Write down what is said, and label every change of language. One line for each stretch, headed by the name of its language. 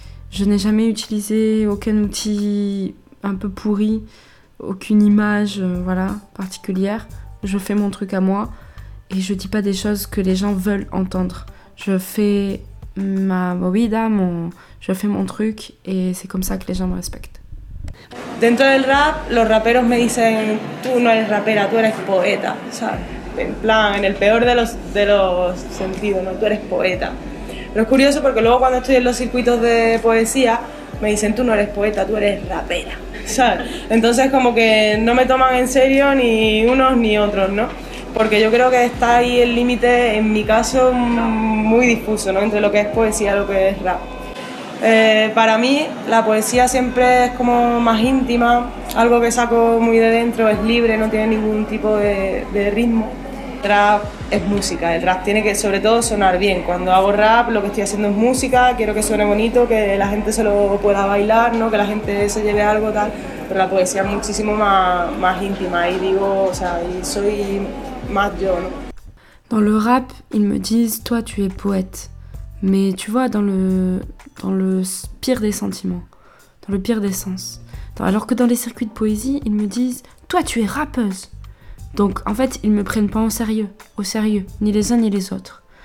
French: Je n'ai jamais utilisé aucun outil un peu pourri, aucune image particulière. Je fais mon truc à moi et je dis pas des choses que les gens veulent entendre. Je fais ma movida, je fais mon truc et c'est comme ça que les gens me respectent.
Spanish: Dentro del rap, los raperos me dicen, tú no eres rapera, tú eres poeta, ¿sabes? En plan, en el peor de los sentidos, ¿no? Tú eres poeta. Pero es curioso porque luego cuando estoy en los circuitos de poesía, me dicen, tú no eres poeta, tú eres rapera, ¿sabes? Entonces como que no me toman en serio ni unos ni otros, ¿no? porque yo creo que está ahí el límite, en mi caso, muy difuso, ¿no?, entre lo que es poesía y lo que es rap. Para mí, la poesía siempre es como más íntima, algo que saco muy de dentro, es libre, no tiene ningún tipo de ritmo. El rap es música, el rap tiene que, sobre todo, sonar bien. Cuando hago rap, lo que estoy haciendo es música, quiero que suene bonito, que la gente se lo pueda bailar, ¿no?, que la gente se lleve algo, tal. Pero la poesía es muchísimo más íntima, y digo, o sea, y soy más yo, ¿no?
French: Dans le rap, ils me disent, toi tu es poète. Mais tu vois, dans le pire des sentiments, dans le pire des sens. Alors que dans les circuits de poésie, ils me disent, toi tu es rappeuse. Donc en fait, ils ne me prennent pas au sérieux, ni les uns ni les autres.